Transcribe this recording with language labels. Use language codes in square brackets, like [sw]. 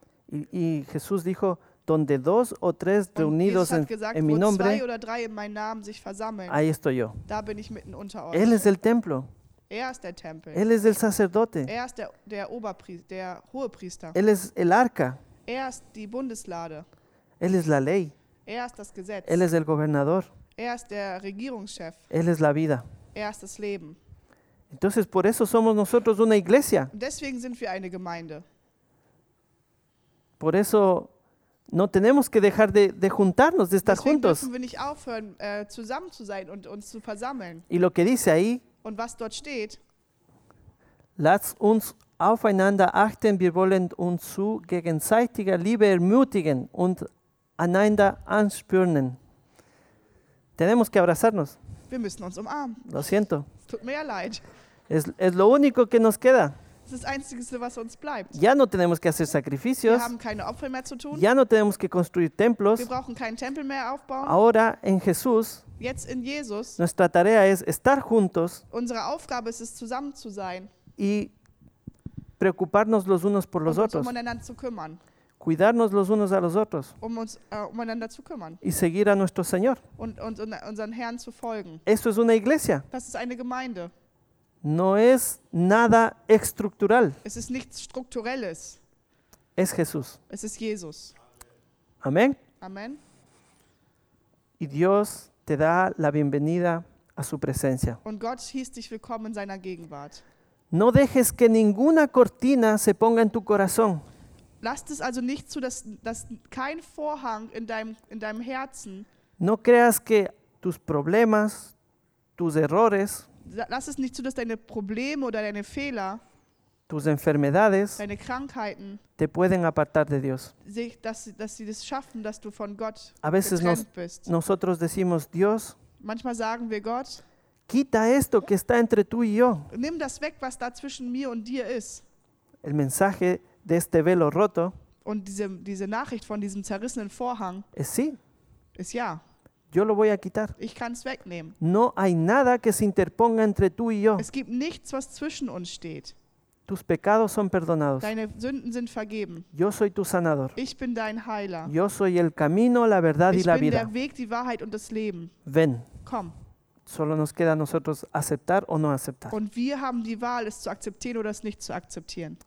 [es] Y Jesús dijo, donde dos o tres reunidos en mi nombre, [de] zwei oder drei in meinem Namen sich versammeln, [es] ahí estoy yo. [de] Da bin ich mitten unter euch. [es] Él es el templo. [de] Er ist der Tempel. [es] Él es el sacerdote. [de] Er ist der Oberpriester, der Hohepriester. [es] Él es el arca. [de] Er ist die Bundeslade. [es] Él es la ley. [de] Er ist das Gesetz. [es] Él es el gobernador. [de] Er ist der Regierungschef. [es] Él es la vida. [de] Er ist das Leben. [es] Entonces, por eso somos nosotros una iglesia. [de] Deswegen sind wir eine Gemeinde. [es] Por eso no tenemos que dejar de juntarnos, de estar [de] deswegen [es] juntos. [de] Deswegen dürfen wir nicht aufhören, zusammen zu sein und uns zu versammeln. [es] Y lo que dice ahí, [de] und was dort steht, lasst uns aufeinander achten, wir wollen uns zu gegenseitiger Liebe ermutigen und einander anspüren. [es] Tenemos que abrazarnos. [de] Wir müssen uns umarmen. [es] Lo siento. [de] Tut mir ja leid. [es] Es lo único que nos queda. [de] Das ist das Einzige, was uns bleibt. [es] Ya no tenemos que hacer sacrificios. [de] Wir haben keine Opfer mehr zu tun. [es] Ya no tenemos que construir templos. [de] Wir brauchen keinen Tempel mehr aufbauen. [es] Ahora, en Jesús, [de] jetzt in Jesus. [es] Nuestra tarea es estar juntos. [de] Unsere Aufgabe ist es, zusammen zu sein. [es] Y preocuparnos los unos por los otros. [de] Uns umeinander zu kümmern. [es] Cuidarnos los unos a los otros. [de] Umeinander zu kümmern. [es] Y seguir a nuestro Señor. [de] Und unseren Herrn zu folgen. [es] Eso es una iglesia. [de] Das ist eine Gemeinde. [es] No es nada estructural. [de] Es ist nichts Strukturelles. [es] Es Jesús. [de] Es ist Jesus. [es] Amén. [de] Amén. [es] Y Dios te da la bienvenida a su presencia. [de] Und Gott hieß dich willkommen in seiner Gegenwart. [es] No dejes que ninguna cortina se ponga en tu corazón. [de] Lass es also nicht zu, dass kein Vorhang in deinem Herzen. [es] No creas que tus problemas, tus errores. [de] Lass es nicht zu, dass deine Probleme oder deine Fehler, [es] tus enfermedades, [de] deine Krankheiten, [es] te pueden apartar de Dios. [de] Dass sie das schaffen, dass du von Gott [es] a veces [de] getrennt bist. [es] Nosotros decimos, Dios, [de] manchmal sagen wir Gott, [es] quita esto que está entre tú y yo. [de] Nimm das weg, was da zwischen mir und dir ist. [es] el mensaje de este velo roto. [de] Und diese Nachricht von diesem zerrissenen Vorhang. [es] Es sí. [de] Es ja. [es] Yo lo voy a quitar. [de] Ich kann's wegnehmen. [es] No hay nada que se interponga entre tú y yo. [de] Es gibt nichts, was zwischen uns steht. [es] Tus pecados son perdonados. [de] Deine Sünden sind vergeben. [es] Yo soy tu sanador. [de] Ich bin dein Heiler. [es] Yo soy el camino, la verdad [de] ich [es] y la vida. [de] Ich bin der Weg, die Wahrheit und das Leben. [es] Ven. [de] Komm. [es] Solo nos queda a nosotros aceptar o no aceptar. [de] Und wir haben die Wahl, es zu akzeptieren oder es nicht zu akzeptieren.